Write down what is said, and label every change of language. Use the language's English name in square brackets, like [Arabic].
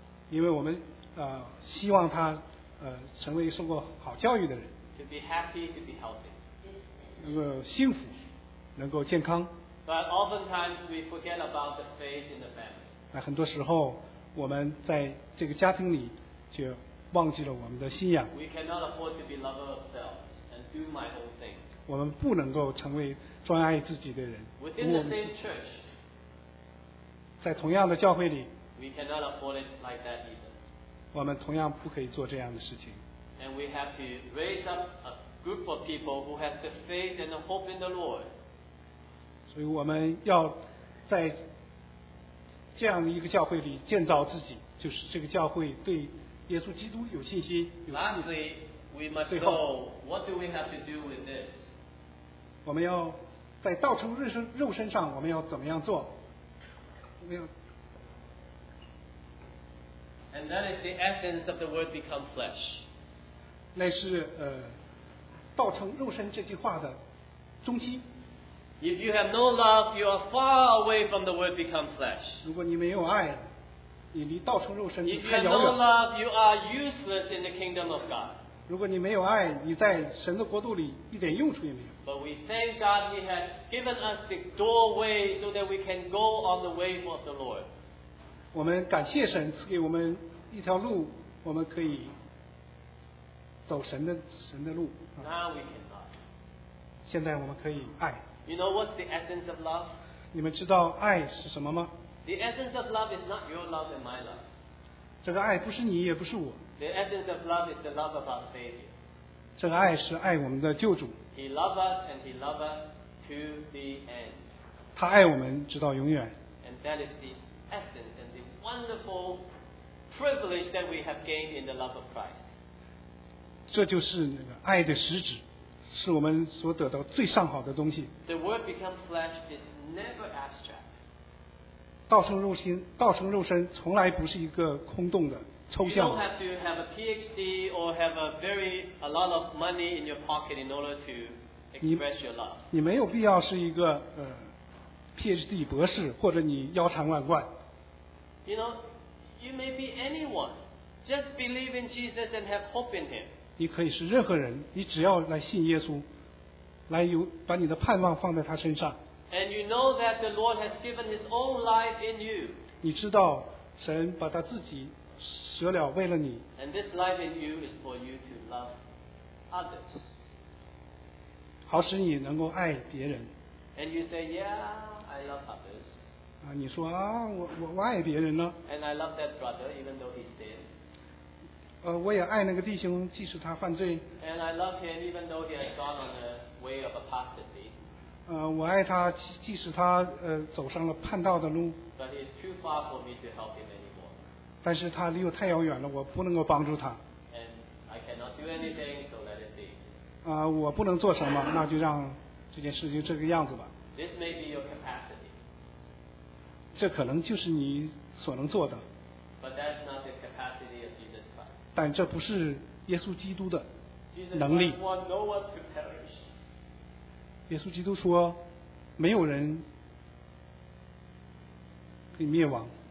[Chinese] 因为我们希望他成为受过好教育的人。 [English] To be happy, to be healthy. [Chinese] 能够幸福，能够健康。 [English] But oftentimes we forget about the faith in the family. [Chinese] 那很多时候我们在这个家庭里就忘记了我们的信仰。 [English] We cannot afford to be lover of self and do my own thing. [Chinese] 我们不能够成为专爱自己的人。 [English] Within the same church. [Chinese] 在同样的教会里。 [English] We cannot afford it like that either. [Chinese] 我们同样不可以做这样的事情。 [English] And we have to raise up a group of people who have the faith and the hope in the Lord. [Chinese] 所以我们要在这样的一个教会里建造自己，就是这个教会对耶稣基督有信心。 [English] Lastly, we must go. What do we have to do with this? [Chinese] 我们要在道成肉身上，我们要怎么样做？没有。 [English] And that is the essence of the word become flesh. [Chinese] 那是道成肉身这句话的中心。 [English] If you have no love, you are far away from the word become flesh. [Chinese] 如果你没有爱。你离道成肉身太遥远。 [English] If you have no love, you are useless in the kingdom of God. [Chinese] 如果你没有爱，你在神的国度里一点用处也没有。 [English] But we thank God He has given us the doorway so that we can go on the way of the Lord. [Chinese] 我们感谢神赐给我们一条路，我们可以走神的路。 [English] Now we can love. [Chinese] 现在我们可以爱。 [English] You know what's the essence of love? [Chinese] 你们知道爱是什么吗？ [English] The essence of love is not your love and my love. [Chinese] 这个爱不是你也不是我。 [English] The essence of love is the love of our Savior. [Chinese] 这个爱是爱我们的救主。 [English] He loves us and he loves us to the end. [Chinese] 他爱我们直到永远。 [English] And that is the essence and the wonderful privilege that we have gained in the love of Christ. [Chinese] 这就是那个爱的实质，是我们所得到最上好的东西。 [English] The word become flesh is never abstract. [Chinese] 道成肉身从来不是一个空洞的抽象的。 [English] You don't have to have a PhD or have a lot of money in your pocket in order to express your love. [Chinese] 你没有必要是一个PhD 博士或者你腰缠万贯。 [English] You know, you may be anyone. Just believe in Jesus and have hope in him. [Chinese] 你可以是任何人，你只要来信耶稣，来有把你的盼望放在他身上。 [English] And you know that the Lord has given His own life in you. [Chinese] 你知道神把他自己舍了为了你。 [English] And this life in you is for you to love others. [Chinese] 好使你能够爱别人。 [English] And you say, yeah, I love others. [Chinese] 你说啊，我爱别人了。 [English] And I love that brother, even though he's dead. [Chinese] 我也爱那个弟兄，即使他犯罪。 [English] And I love him, even though he has gone on the way of apostasy. [Chinese] 我爱他，即使他走上了叛道的路。 [English] But he's too far for me to help him anymore. [Chinese] 但是他离我太遥远了，我不能够帮助他。 [English] And I cannot do anything, so let it be. [Chinese] 我不能做什么，那就让这件事就这个样子吧。 [English] This may be your capacity. [Chinese] 这可能就是你所能做的。 [English] But that's not the capacity of Jesus Christ. [Chinese] 但这不是耶稣基督的能力。 [English] Jesus wants no one to perish. [Chinese] 耶稣基督说没有人可以灭亡，